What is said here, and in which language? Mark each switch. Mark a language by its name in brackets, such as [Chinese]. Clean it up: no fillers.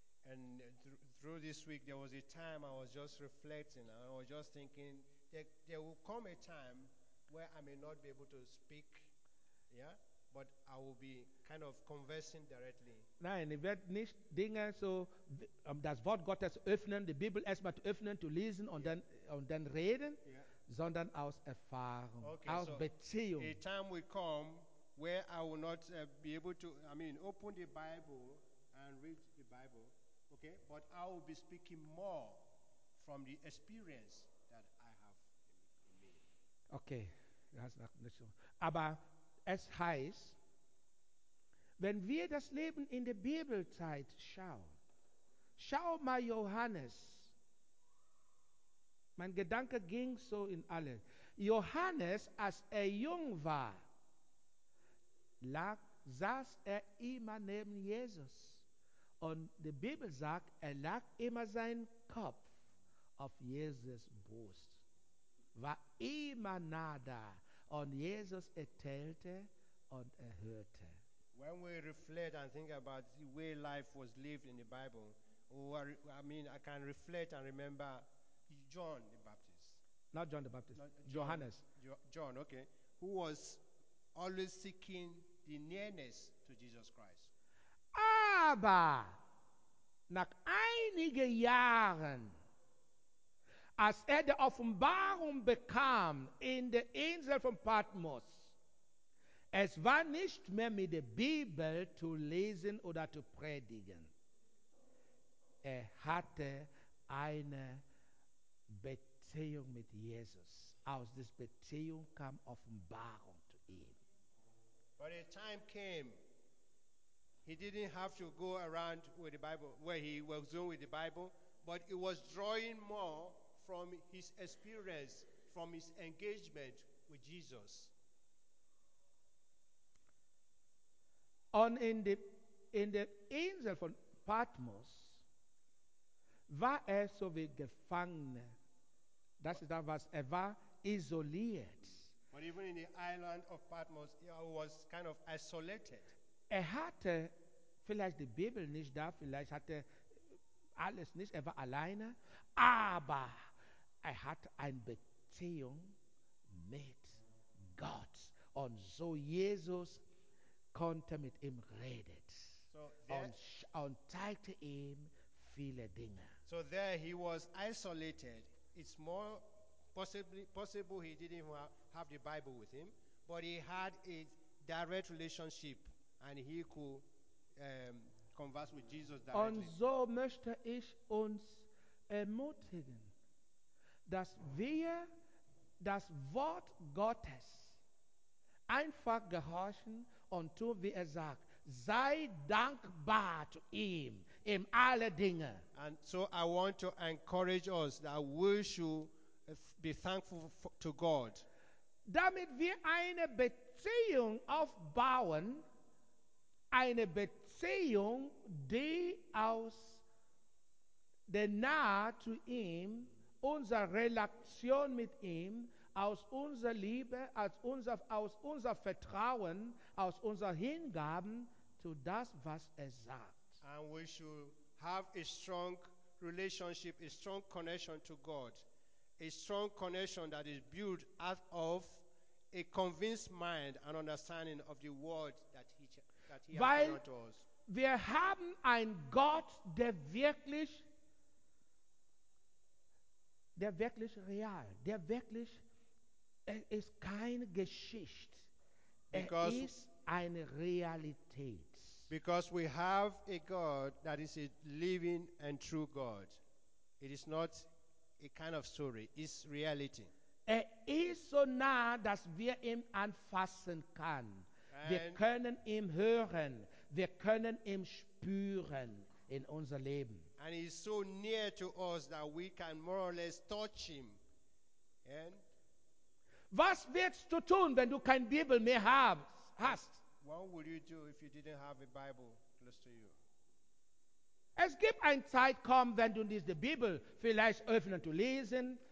[English] And through this week there was a time I was just reflecting, I was just thinking there will come a time where I may not be able to speak, yeah, but I will be kind of conversing directly. [German] Nein, ich werde nicht Dinge so das Wort Gottes öffnen, die Bibel erstmal öffnen, zu lesen und dann reden, sondern aus Erfahrung, [English] okay, [German] aus [English] so [German] Beziehung. [English] A time will come where I will not be able to, I mean, open the Bible and read the Bible, okay, but I will be speaking more from the experience that I have in me. [German] Okay, das ist nicht so. Aber es heißt, wenn wir das Leben in der Bibelzeit schauen, schau mal Johannes. Mein Gedanke ging so in alle. Johannes, als er jung war, saß er immer neben Jesus. Und die Bibel sagt, er lag immer seinen Kopf auf Jesus' Brust. War immer nah da. Und Jesus erzählte und hörte. [English] When we reflect and think about the way life was lived in the Bible, I can reflect and remember John the Baptist. Not John the Baptist, Johannes. John, okay. Who was always seeking the nearness to Jesus Christ. [German] Aber nach einigen Jahren, als die Offenbarung bekam in der Insel von Patmos, es war nicht mehr mit der Bibel zu lesen oder zu predigen. Hatte eine Beziehung mit Jesus. Aus dieser Beziehung kam Offenbarung zu ihm. [English] But a time came, he didn't have to go around with the Bible, where he was doing with the Bible, but it was drawing more from his experience, from his engagement with Jesus. [German] Und in der Insel von Patmos war so wie Gefangene. Das ist das, was war isoliert. [English] But even in the island of Patmos, he was kind of isolated. [German] Hatte vielleicht die Bibel nicht da, vielleicht hatte alles nicht, war alleine, aber hatte eine Beziehung mit Gott. Und so Jesus konnte mit ihm redet und zeigte ihm viele Dinge. [English] So there he was isolated. It's more possible he didn't have the Bible with him, but he had a direct relationship and he could converse with Jesus directly. [German] Und so möchte ich uns ermutigen, dass wir das Wort Gottes einfach gehorchen und tun, wie sagt. Sei dankbar zu ihm in alle Dinge. [English] And so I want to encourage us that we should be thankful to God. [German] Damit wir eine Beziehung aufbauen, eine Beziehung, die aus der Nähe zu ihm, unsere Relation mit ihm, aus unserer Liebe, aus unser Vertrauen, aus unserer Hingaben zu das, was sagt. [English] And we should have a strong relationship, a strong connection to God, a strong connection that is built out of a convinced mind and understanding of the word that he [German] Weil [English] has brought us. [German] Wir haben ein Gott, der wirklich real, der wirklich, ist keine Geschichte, [English] because [German] ist eine Realität. [English] Because we have a God that is a living and true God. It is not a kind of story, it's reality. [German] Er ist so nah, dass wir ihn anfassen können. [English] And [German] wir können ihn hören. Wir können ihn spüren in unser Leben. [English] And he's so near to us that we can more or less touch him. And [German] was wirst du tun, wenn du keine Bibel mehr hast? [English] What would you do if you didn't have a Bible close to you? [German] Es gibt ein Zeit kommen, wenn du nicht die Bibel vielleicht öffnen zu lesen.